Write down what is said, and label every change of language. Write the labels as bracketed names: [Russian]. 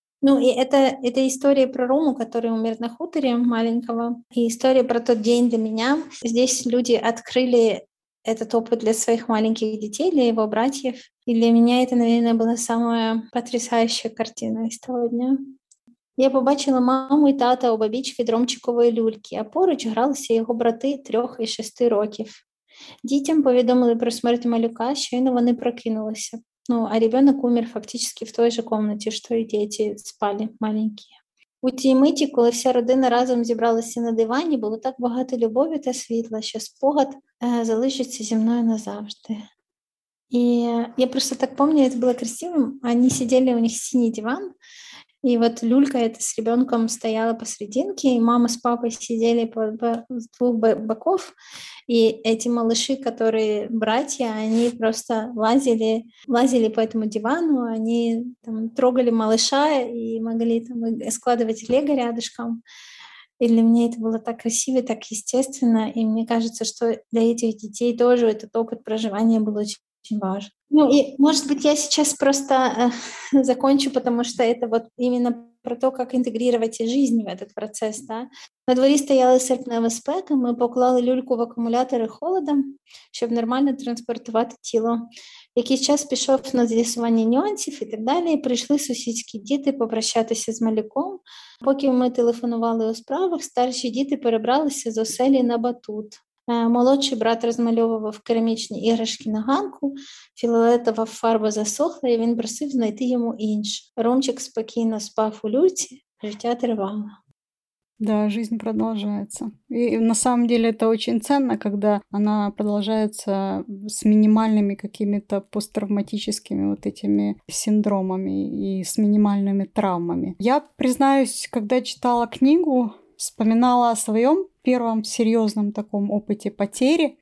[Russian] Ну, и это история про Рому, который умер на хуторе маленького, и история про тот день для меня. Здесь люди открыли этот опыт для своих маленьких детей, для его братьев. И для меня это, наверное, была самая потрясающая картина из того дня. [Ukrainian] Я побачила маму і тата у бабіч відромчикової люльки, а поруч гралися його брати 3 і 6 років. Дітям повідомили про смерть малюка, щойно вони прокинулися. [Russian] Ну, а ребенок умер фактически в той же комнате, что и дети спали маленькие. [Ukrainian] У тій миті, коли вся родина разом зібралася на дивані, було так багато любові та світла, що спогад залишиться зі мною назавжди. І я просто так пам'ятаю, це було красиво. Вони сиділи, у них синій диван, і от люлька эта з ребенком стояла посерединке, і мама з папою сиділи з двох боків, і ці малыши, які браті, вони просто лазили по цьому дивану, вони там трогали малыша і могли там [Russian] складывать лего рядышком. И для меня это было так красиво, так естественно. И мне кажется, что для этих детей тоже этот опыт проживания был очень, очень важен. Ну и, может быть, я сейчас просто закончу, потому что это вот именно про то, как интегрировать жизнь в этот процесс, да. [Ukrainian] На дворі стояла серпнева спека, ми поклали люльку в акумулятори холодом, щоб нормально транспортувати тіло. Якийсь час пішов на з'ясування нюансів і так далі, прийшли сусідські діти попрощатися з малюком. Поки ми телефонували у справах, старші діти перебралися з оселі на батут. Молодший брат розмальовував керамічні іграшки на ганку, фіолетова фарба засохла, і він просив знайти йому інше. Ромчик спокійно спав у люльці, життя тривало. [Russian] Да, жизнь продолжается. И на самом деле это очень ценно, когда она продолжается с минимальными какими-то посттравматическими вот этими синдромами и с минимальными травмами. Я признаюсь, когда читала книгу, вспоминала о своем первом серьезном таком опыте потери.